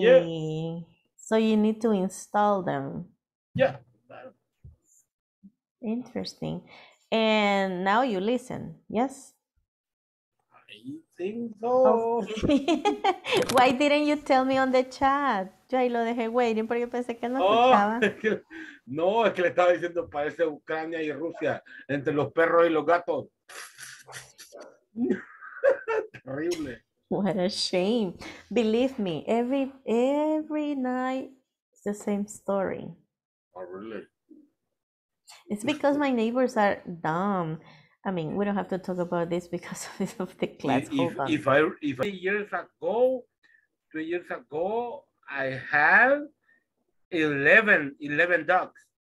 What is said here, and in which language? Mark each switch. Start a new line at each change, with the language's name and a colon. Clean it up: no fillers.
English: Yeah. So you need to install them. Yeah. Interesting. And now you listen, yes? Think so. Why didn't you tell me on the chat?
Spanish: Yo ahí lo dejé waiting porque pensé que no escuchaba. No, es que le estaba diciendo parece Ucrania y Rusia entre los perros y los gatos.
English: Terrible. What a shame. Believe me, every night it's the same story. Oh, really? It's because my neighbors are dumb. I mean, we don't have to talk about this because of the class. If 3 years ago, 3 years ago, I have 11 dogs.